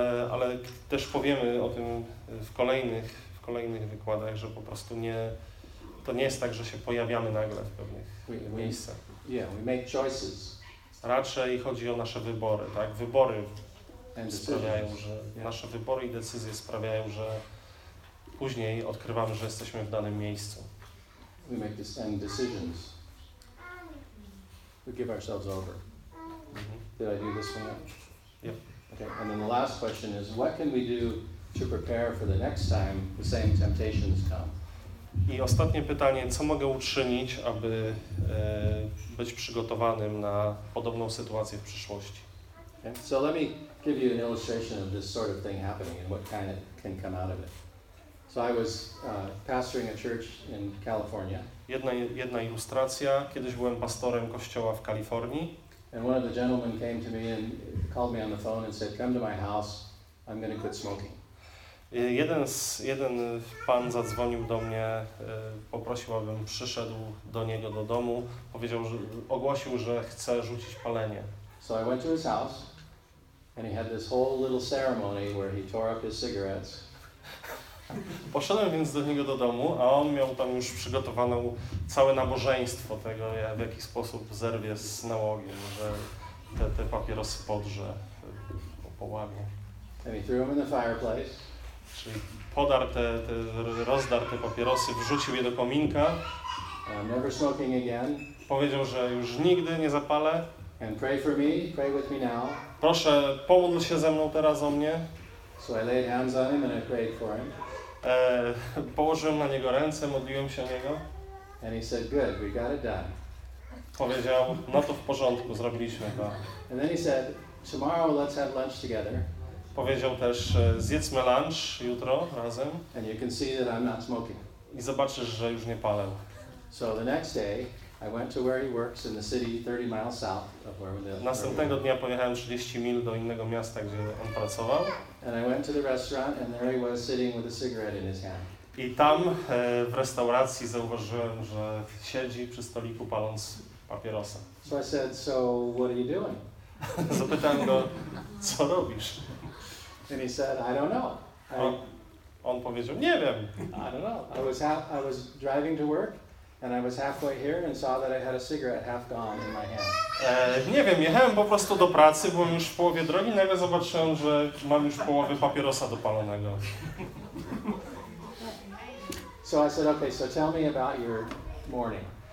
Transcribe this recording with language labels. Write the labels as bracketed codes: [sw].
[pl] Ale też powiemy o tym w kolejnych wykładach, że po prostu nie, to nie jest tak, że się pojawiamy nagle w pewnych miejscach. [en] Yeah, we make choices. [pl] Raczej chodzi o nasze wybory, tak? Wybory sprawiają, że nasze wybory i decyzje sprawiają, że później odkrywamy, że jesteśmy w danym miejscu. [en] We make the same decisions. We give ourselves over. Mm-hmm. Did I do this one? Yeah. Okay. And then the last question is, what can we do to prepare for the next time the same temptations come? [pl] I ostatnie pytanie, co mogę uczynić, aby być przygotowanym na podobną sytuację w przyszłości? [en] Okay. So let me give you an illustration of this sort of thing happening and what kind of can come out of it. So I was pastoring a church in California. [pl] Jedna ilustracja. Kiedyś byłem pastorem kościoła w Kalifornii. [en] And one of the gentlemen came to me and called me on the phone and said, "Come to my house. I'm going to quit smoking." [pl] Jeden pan zadzwonił do mnie, poprosił, abym przyszedł do niego do domu. Powiedział, że ogłosił, że chce rzucić palenie. [en] So I went to his house, and he had this whole little ceremony where he tore up his cigarettes. [pl] Poszedłem więc do niego do domu, a on miał tam już przygotowaną całe nabożeństwo tego, w jaki sposób zerwie z nałogiem, że te papierosy podrze po połamie. [en] And he threw them in the fireplace. [pl] Czyli podarł te rozdarł te papierosy, wrzucił je do kominka. [en] Never smoking again. [pl] Powiedział, że już nigdy nie zapalę. [en] And pray for me, pray with me now. [pl] Proszę, pomódl się ze mną teraz o mnie. [en] So I laid hands on him and I prayed for him. [pl] Położyłem na niego ręce, modliłem się o niego. [en] And he said, "Good, we got it done." [pl] Powiedział, no to w porządku, zrobiliśmy to. [en] And then he said, "Tomorrow let's have lunch together." [pl] Powiedział też, zjedzmy lunch jutro razem. [en] And you can see that I'm not smoking. [pl] I zobaczysz, że już nie palę. [en] So the next day, I went to where he works in the city 30 miles south of where the. [pl] Następnego dnia pojechałem 30 mil do innego miasta, gdzie on pracował. [en] And I went to the restaurant and there he was sitting with a cigarette in his hand. [pl] I tam w restauracji zauważyłem, że siedzi przy stoliku paląc papierosa. [en] So I said, "So what are you doing?" [pl] Zapytałem go, co robisz? [en] And he said, "I don't know." [pl] On powiedział, nie wiem. [en] I don't know. I was driving to work. And I was halfway here and saw that I had a cigarette half gone in my hand. [pl] Nie wiem, jechałem po prostu do pracy, byłem już w połowie drogi, nagle zobaczyłem, że mam już połowę papierosa dopalonego. [en] So I said, "Okay, so tell me about your morning."